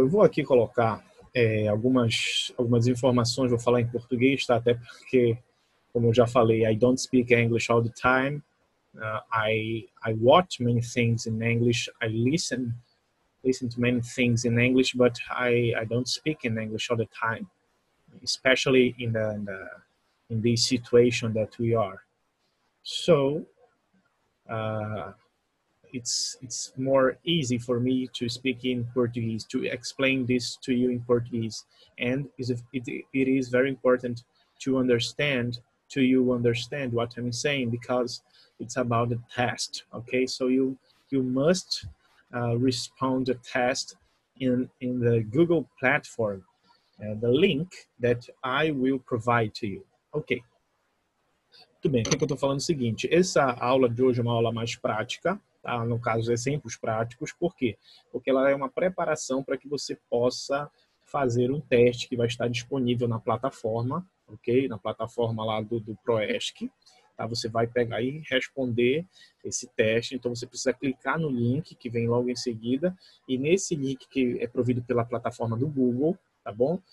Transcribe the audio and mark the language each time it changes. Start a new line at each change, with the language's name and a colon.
Portuguese: Eu vou aqui colocar algumas informações. Vou falar em português, tá? Até porque, como eu já falei,
English: I don't speak English all the time. I watch many things in English. I listen to many things in English, but I don't speak in English all the time, especially in the in this situation that we are. So it's more easy for me to speak in Portuguese, to explain this to you in Portuguese. And it is very important to understand, to you understand what I'm saying, because it's about a test, okay? So you must respond a test in the Google platform, the link that I will provide to you, okay?
Portuguese: Tudo bem, o que eu estou falando é o seguinte, essa aula de hoje é uma aula mais prática, tá? No caso, exemplos práticos, por quê? Porque ela é uma preparação para que você possa fazer um teste que vai estar disponível na plataforma, ok? Na plataforma lá do ProESC, tá? Você vai pegar e responder esse teste, então você precisa clicar no link que vem logo em seguida, e nesse link que é provido pela plataforma do Google, tá bom?